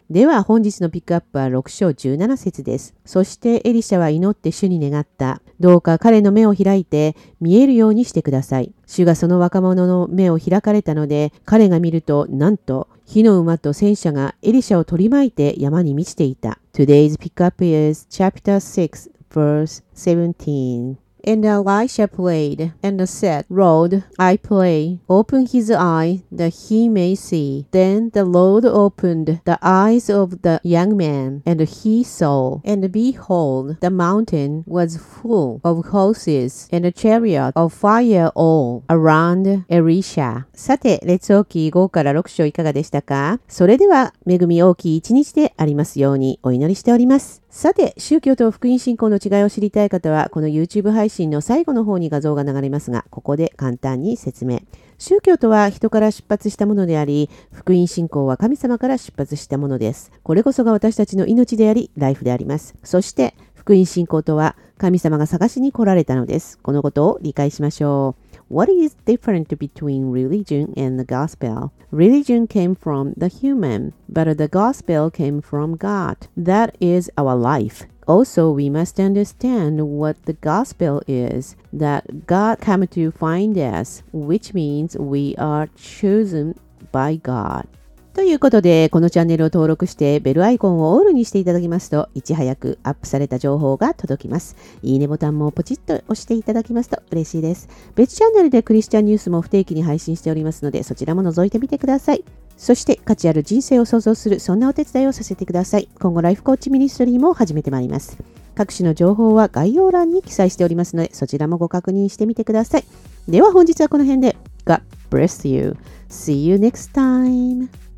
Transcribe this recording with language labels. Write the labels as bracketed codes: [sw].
[ja] では本日のピックアップは6章17節です。そしてエリシャは祈って主に願った。どうか彼の目を開いて見えるようにしてください。主がその若者の目を開かれたので彼が見るとなんと火の馬と戦車がエリシャを取り巻いて山に満ちていた。 [en] Today's pick up is chapter 6Verse 17. And Elisha prayed, and said, Lord, I pray, open his eye that he may see. Then the Lord opened the eyes of the young man, and he saw. And behold, the mountain was full of horses and a chariot of fire all around Elisha. [ja] さて、列王記5から6章いかがでしたか？それでは、恵み大きい一日でありますようにお祈りしております。さて、宗教と福音信仰の違いを知りたい方は、この YouTube 配信の最後の方に画像が流れますが、ここで簡単に説明。宗教とは人から出発したものであり、福音信仰は神様から出発したものです。これこそが私たちの命であり、ライフであります。そして、福音信仰とは神様が探しに来られたのです。このことを理解しましょう。 [en] What is different between religion and the gospel? Religion came from the human, but the gospel came from God. That is our life. Also, we must understand what the gospel is, that God came to find us, which means we are chosen by God. [ja] ということで、このチャンネルを登録してベルアイコンをオールにしていただきますと、いち早くアップされた情報が届きます。いいねボタンもポチッと押していただきますと嬉しいです。別チャンネルでクリスチャンニュースも不定期に配信しておりますので、そちらも覗いてみてください。そして価値ある人生を創造する、そんなお手伝いをさせてください。今後ライフコーチミニストリーも始めてまいります。各種の情報は概要欄に記載しておりますので、そちらもご確認してみてください。では本日はこの辺で。 [en] God bless you. See you next time.